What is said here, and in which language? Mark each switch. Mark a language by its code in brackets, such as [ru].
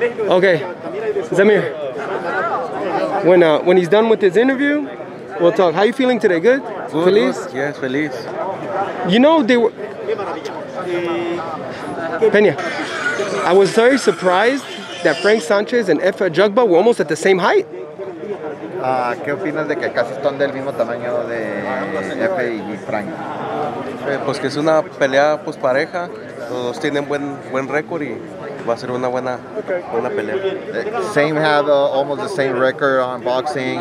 [en] Okay, Samir. When he's done with his interview, we'll talk. How are you feeling today? Good? Good. [es] Feliz? [en] Good. Yes, feliz. You know, they were... Peña, I was very surprised that Frank Sanchez and Efe Jugba were almost at the same height. [es] ¿Qué opinas de que casi están del mismo tamaño de Efe y Frank? Pues que es una pelea pues pareja. Todos tienen buen récord y va a ser una buena pelea. [en] Same have almost the same record on boxing.